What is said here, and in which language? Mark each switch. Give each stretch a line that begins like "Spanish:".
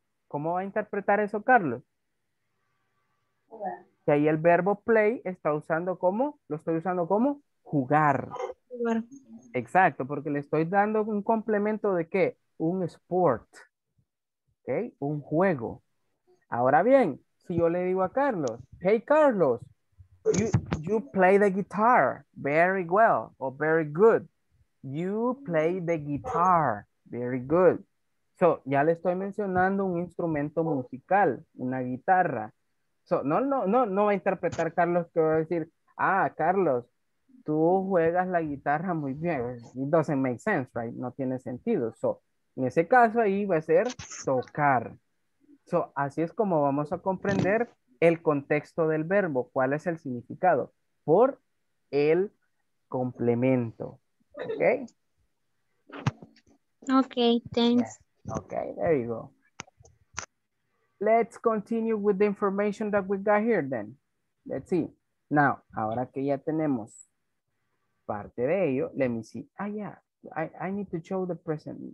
Spanish: ¿Cómo va a interpretar eso, Carlos? Jugar. Que ahí el verbo play está usando como, lo estoy usando como jugar. Jugar. Exacto, porque le estoy dando un complemento de qué, un sport, ¿okay? Un juego. Ahora bien, si yo le digo a Carlos,
English: hey Carlos, You play the guitar very well or very good. You play the guitar very good.
Spanish: So, ya le estoy mencionando un instrumento musical, una guitarra. So, no va a interpretar Carlos que va a decir, ah, Carlos, tú juegas la guitarra muy bien.
English: It doesn't make sense, right?
Spanish: No tiene sentido. So, en ese caso ahí va a ser tocar. So, así es como vamos a comprender el contexto del verbo, cuál es el significado, por el complemento. ¿Ok?
English: Ok, thanks. Yeah. Ok, there you go. Let's continue with the information that we got here then. Let's see. Now, ahora que ya tenemos parte de ello, let me see. Ah, yeah, I need to show the present.